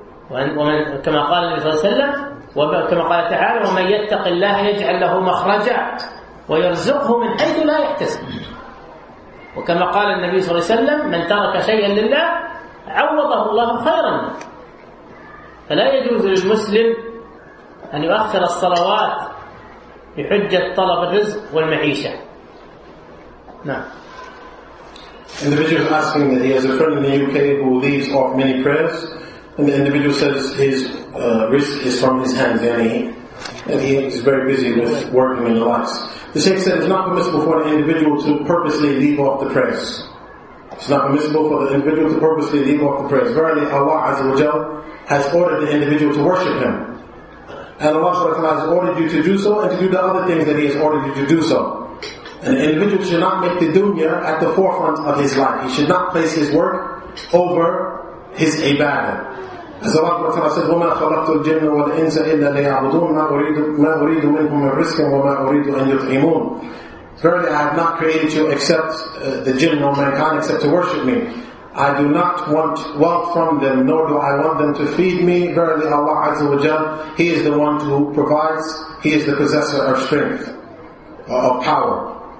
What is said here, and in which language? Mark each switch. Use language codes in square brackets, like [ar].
[ar] ومن كما قال النبي صلى الله عليه وسلم وكما قال تعالى: ومن يتق الله يجعل له مخرجا ويرزقه من حيث لا يحتسب، وكما قال النبي صلى الله عليه وسلم: من ترك شيئا لله عوضه الله خيرا. فلا يجوز للمسلم أن يؤخر الصلوات بحجة طلب الرزق والمعيشة. نعم. [en] Individual asking that he has a friend in the UK who leaves off many prayers, and the individual says his risk is from his hands, and he is very busy with working and the likes. The Sheikh said it's not permissible for an individual to purposely leave off the prayers. It's not permissible for the individual to purposely leave off the prayers. Verily, Allah Azza wa Jal has ordered the individual to worship Him, and Allah Subhanahu wa Taala has ordered you to do so, and to do the other things that He has ordered you to do so. An individual should not make the dunya at the forefront of his life. He should not place his work over his ibadah. As Allah Subhanahu wa Taala says, [ar] "وَمَا خَلَقْتُ الْجِنَّ وَالْإِنسَ إِلَّا لِيَعْبُدُونَ مَا أُرِيدُ مِنْهُمْ مِنْ رِزْقٍ وَمَا أُرِيدُ أَنْ يُطْعِمُونَ." [en] Verily, I have not created you except the jinn or mankind except to worship me. I do not want wealth from them, nor do I want them to feed me. Verily, Allah Azza wa Jal, He is the one who provides. He is the possessor of strength, of power.